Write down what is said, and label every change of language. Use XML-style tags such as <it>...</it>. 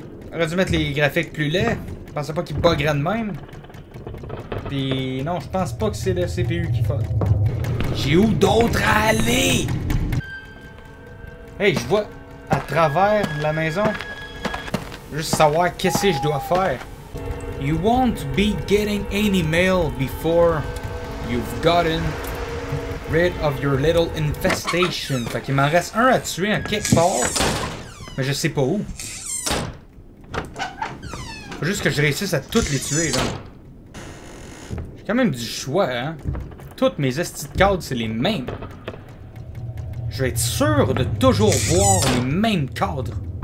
<fr>J'aurais dû mettre les graphiques plus laids. Je pensais pas qu'ils buggeraient de même. Puis non, je pense pas que c'est le CPU qui faute. J'ai où d'autre à aller? Hey, je vois à travers la maison. Juste savoir qu'est-ce que je dois faire.</fr> <en>You won't be getting any mail before you've gotten rid of your little infestation.</en> <fr>Fait qu'il m'en reste un à tuer en quelque part. Mais je sais pas où. Faut juste que je réussisse à toutes les tuer, là. J'ai quand même du choix, hein. Toutes mes esties de cadres, c'est les mêmes. Je vais être sûr de toujours voir les mêmes cadres.</fr>